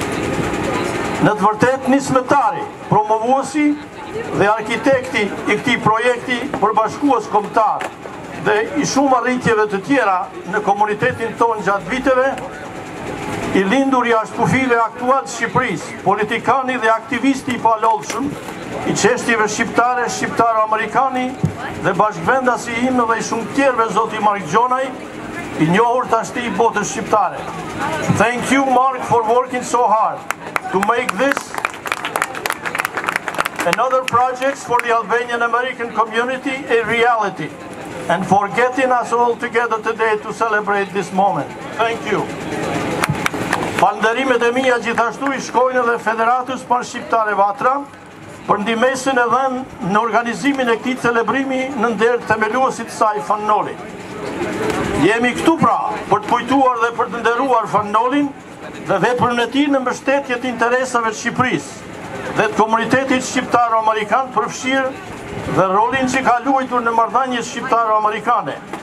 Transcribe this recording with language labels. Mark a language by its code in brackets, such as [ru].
[sq] Në të vërtetë nismëtari, promovuesi dhe arkitekti i këtij projekti përbashkues kombëtar dhe i shumë arritjeve të tjera në komunitetin tonë gjatë viteve, i lindur jashtëkufive aktual të Shqipërisë, politikani dhe aktivisti i paloldshëm i çështjeve shqiptare, shqiptaro-amerikani dhe bashkëvendasi im dhe i shumë tjerëve, zoti Mark Gjonaj, i njohur tashti i botës shqiptare. [en] Thank you Mark for working so hard to make this and other projects for the Albanian American community a reality and for getting us all together today to celebrate this moment. Thank you. [sq] Falënderimet e mia gjithashtu i shkojnë edhe Federatës Panshqiptare Vatra për ndihmën e dhënë në organizimin e këtij celebrimi në nder themeluesit të saj Fan Noli. Jemi këtu pra për të kujtuar dhe për të nderuar Fan Nolin dhe veprën e tij në mbështetje të interesave të Shqipërisë dhe të komunitetit shqiptaro-amerikan përfshirë dhe rolin që ka luajtur në marrëdhënies shqiptaro-amerikane.